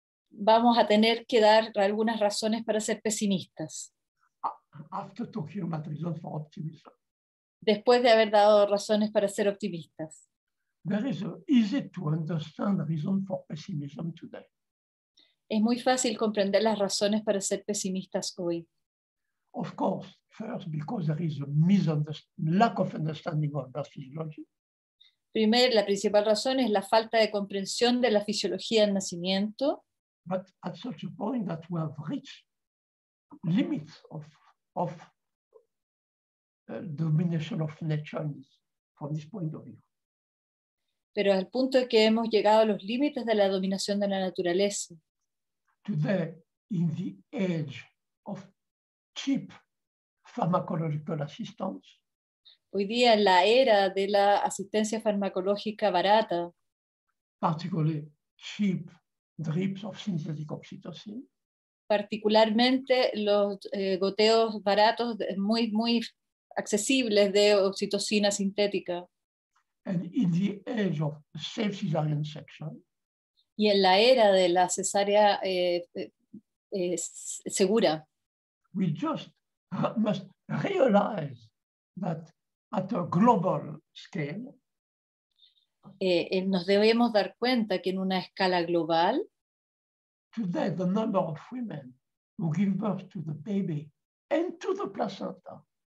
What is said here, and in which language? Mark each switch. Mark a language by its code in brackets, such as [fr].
[es] Vamos a tener que dar algunas razones para ser pesimistas. [en] After talking about reasons for optimism. [es] Después de haber dado razones para ser optimistas. [en] There is a easy to understand reason for pessimism today. [es] Es muy fácil comprender las razones para ser pesimistas hoy. [en] Of course, first because there is a lack of understanding of birth physiology. [es] Primero, la principal razón es la falta de comprensión de la fisiología del nacimiento. [en] But at such a point that we have reached limits of domination of nature from this point of view. [es] Pero al punto que hemos llegado a los límites de la dominación de la naturaleza. [en] Today, in the age of cheap pharmacological assistance. [es] Hoy día, en la era de la asistencia farmacológica barata. [en] Particularly cheap. Drips of synthetic oxytocin. [es] Particularmente los goteos baratos, muy, muy accesibles de oxitocina sintética. [en] And in the age of safe cesarean section. [es] Y en la era de la cesárea segura. [en] We just must realize that at a global scale. [es] Nos debemos dar cuenta que en una escala global. [en] Today, the number of women who give birth to the baby and to the placenta.